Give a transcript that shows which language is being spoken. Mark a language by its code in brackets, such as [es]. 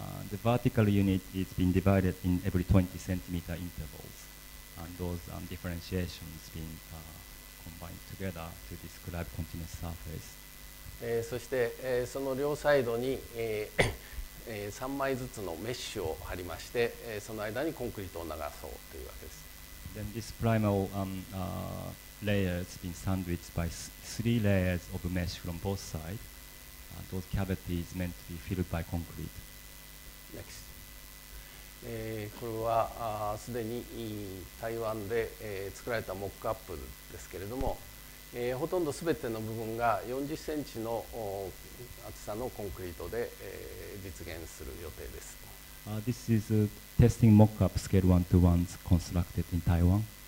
[en] The vertical unit is being divided in every 20 centimeter intervals, and those differentiations being combined together to describe continuous surface. [ja] そして、その両サイドに、3枚ずつのメッシュを貼りまして、その間にコンクリートを流そうというわけです。 [en] Then this primal, layers been sandwiched by three layers of mesh from both sides. Those cavities meant to be filled by concrete. Next. [ja] これはすでに台湾で作られたモックアップですけれども、ほとんどすべての部分が40センチの厚さのコンクリートで実現する予定です。 [en] This is a testing mock-up scale 1:1 constructed in Taiwan.